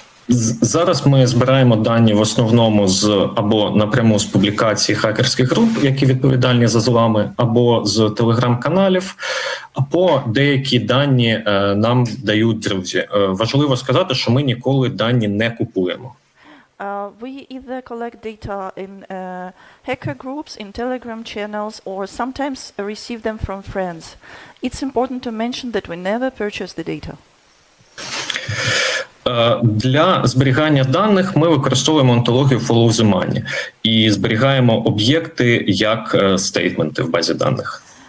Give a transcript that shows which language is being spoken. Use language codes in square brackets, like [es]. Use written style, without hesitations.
[uk] Зараз ми збираємо дані в основному з або напряму з публікацій хакерських груп, які відповідальні за злами, або з телеграм-каналів, або деякі дані нам дають друзі. Важливо сказати, що ми ніколи дані не купуємо. [en] We either collect data in hacker groups, in Telegram channels, or sometimes receive them from friends. It's important to mention that we never purchase the data. [uk] Для зберігання даних ми використовуємо онтологію Follow the Money і зберігаємо об'єкти як стейтменти в базі даних.